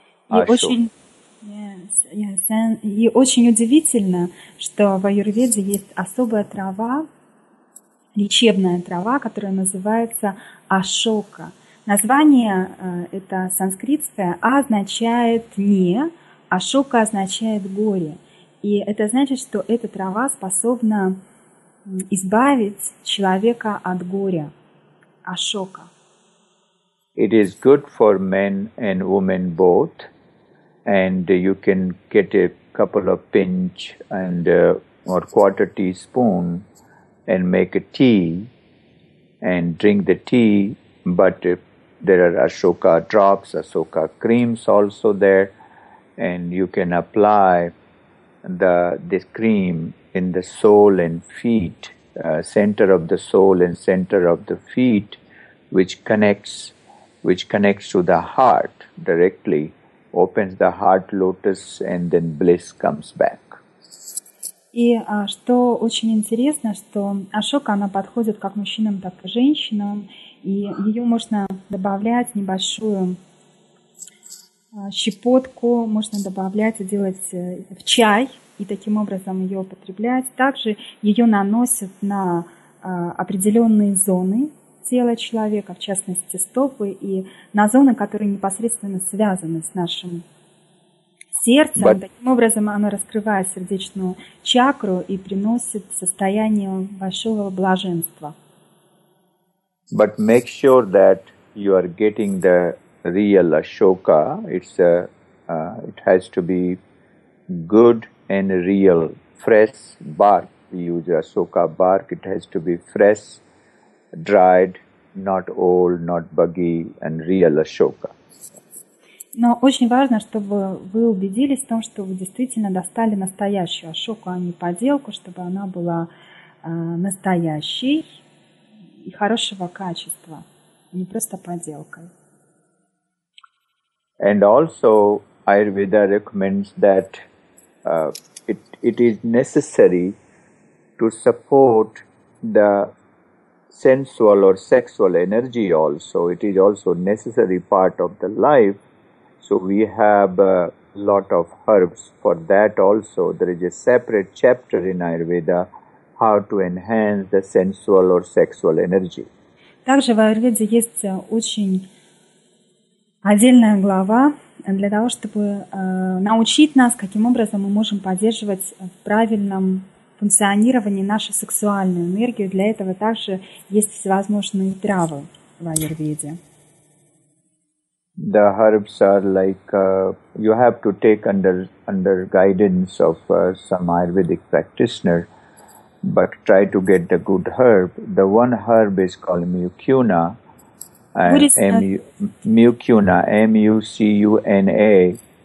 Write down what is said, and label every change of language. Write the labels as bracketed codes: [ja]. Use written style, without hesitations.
[ru] И очень удивительно, что в аюрведе есть особая трава, лечебная трава, которая называется Ашока. Название это санскритское, а означает не, Ашока означает горе. И это значит, что эта трава способна избавить человека от горя, Ашока. [en] It is good for men and women both, and you can get a couple of pinch and or quarter teaspoon and make a tea and drink the tea, but there are Ashoka drops, Ashoka creams also there, and you can apply this cream in the sole and feet, center of the sole and center of the feet, which connects to the heart directly, opens the heart lotus, and then bliss comes back. [ru] И что очень интересно, что Ашока, она подходит как мужчинам, так и женщинам, и ее можно добавлять небольшую щепотку, можно добавлять и делать в чай, и таким образом ее употреблять. Также ее наносят на определенные зоны тела человека, в частности стопы, и на зоны, которые непосредственно связаны с нашим сердцем. Таким образом оно раскрывает сердечную чакру и приносит состояние большого блаженства. [en] But make sure that you are getting the real Ashoka. It has to be good and real, fresh bark. We use Ashoka bark. It has to be fresh, dried, not old, not buggy, and real Ashoka. [ru] Но очень важно, чтобы вы убедились в том, что вы действительно достали настоящую Ашоку, а не подделку, чтобы она была настоящей и хорошего качества, не просто подделкой. [en] And also Ayurveda recommends that it is necessary to support the sensual or sexual energy also. It is also necessary part of the life. So we have a lot of herbs for that also. There is a separate chapter in Ayurveda how to enhance the sensual or sexual energy. [ru] Также в Аюрведе есть отдельная глава для того, чтобы научить нас, каким образом мы можем поддерживать в правильном функционировании нашу сексуальную энергию. Для этого также есть всевозможные травы в аюрведе. [en] The herbs are like you have to take under guidance of some Ayurvedic practitioner, but try to get the good herb. The one herb is called mucuna. Mucuna, M-U-C-U-N-A.